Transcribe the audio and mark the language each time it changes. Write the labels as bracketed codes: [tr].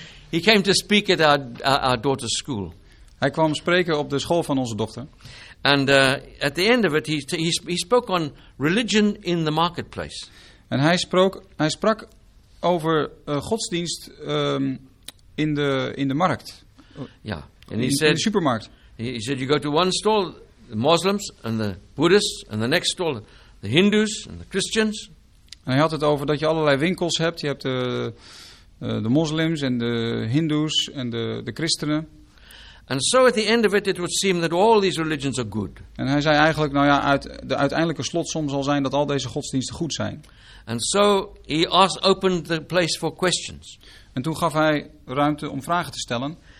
[en] He came to speak at our daughter's school. [nl] Hij kwam spreken op de school van onze dochter. [en] And at the end of it, he spoke on religion in the marketplace. [nl] En hij sprak. Over godsdienst in de markt. Ja, yeah. In de supermarkt. [en] He said you go to one stall, the Muslims and the Buddhists, and the next stall, the Hindus and the Christians. [nl] En hij had het over dat je allerlei winkels hebt. Je hebt de moslims en de hindoes en de christenen. [en] And so at the end of it, it would seem that all these religions are good. [nl] En hij zei eigenlijk, nou ja, de uiteindelijke slotsom zal zijn dat al deze godsdiensten goed zijn. [en] And so he opened the place for questions. [nl] En toen gaf hij ruimte om vragen te stellen.